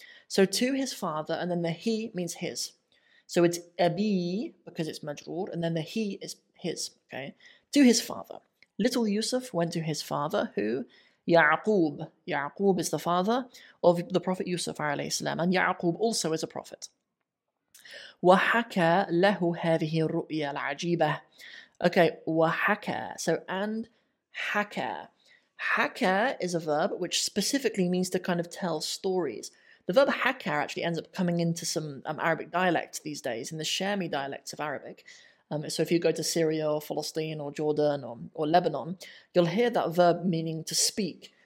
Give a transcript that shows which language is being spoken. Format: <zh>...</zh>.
<en>So to his father, and then the he means his. So it's Abi, because it's Majroor, and then the he is his, okay? To his father. Little Yusuf went to his father, who? Ya'qub. Ya'qub is the father of the Prophet Yusuf, alayhi salam. And Ya'qub also is a prophet.</en> <ar>وَحَكَى لَهُ هَذِهِ الرُّؤْيَا الْعَجِيبَةِ Okay, وَحَكَى.</ar> <en>So, and حَكَى. حَكَى is a verb which specifically means to kind of tell stories. The verb حَكَى actually ends up coming into some Arabic dialects these days, in the Shami dialects of Arabic. So if you go to Syria or Palestine or Jordan or Lebanon, you'll hear that verb meaning to speak.</en>